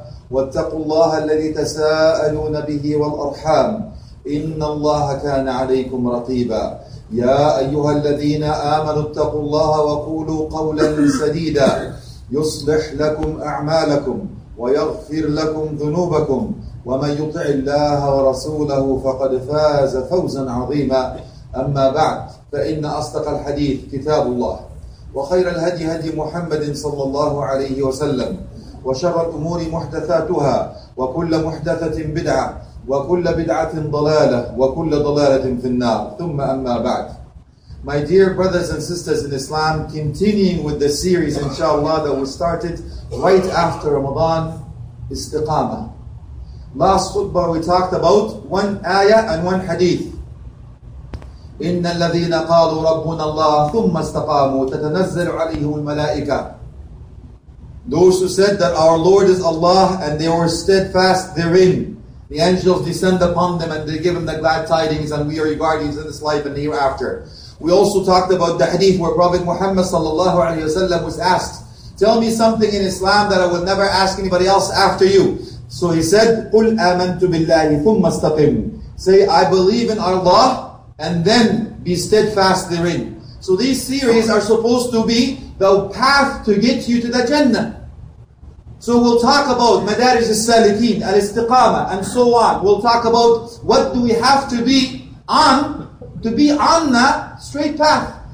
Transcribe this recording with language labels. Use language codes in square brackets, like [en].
[ar] واتقوا الله الذي تساءلون به والأرحام إن الله كان عليكم رقيبا يا أيها الذين آمنوا اتقوا الله وقولوا قولا سديدا يصلح لكم أعمالكم ويغفر لكم ذنوبكم ومن يطع الله ورسوله فقد فاز فوزا عظيما أما بعد فإن أصدق الحديث كتاب الله وخير الهدي هدي محمد صلى الله عليه وسلم وشر الأمور محدثاتها وكل محدثة بدعة وكل بدعة ضلالة وكل ضلالة في النار ثم أما بعد. [en] My dear brothers and sisters in Islam, continuing with the series inshallah that we started right after Ramadan, Istiqama. Last khutbah we talked about one ayah and one hadith. [ar] إن الذين قالوا ربنا الله ثم استقاموا تتنزل عليهم الملائكة. [en] Those who said that our Lord is Allah and they were steadfast therein, the angels descend upon them and they give them the glad tidings and we are your guardians in this life and the hereafter. We also talked about the hadith where Prophet Muhammad sallallahu alayhi wa sallam was asked, tell me something in Islam that I will never ask anybody else after you. So he said, [ar] قُلْ آمَنْتُ بِاللَّهِ ثُمَّ اسْتَقِمْ. [en] Say, I believe in Allah and then be steadfast therein. So these series are supposed to be the path to get you to the Jannah. So we'll talk about Madaris al-Salikin, al-Istiqama, and so on. We'll talk about what do we have to be on, to be on the straight path.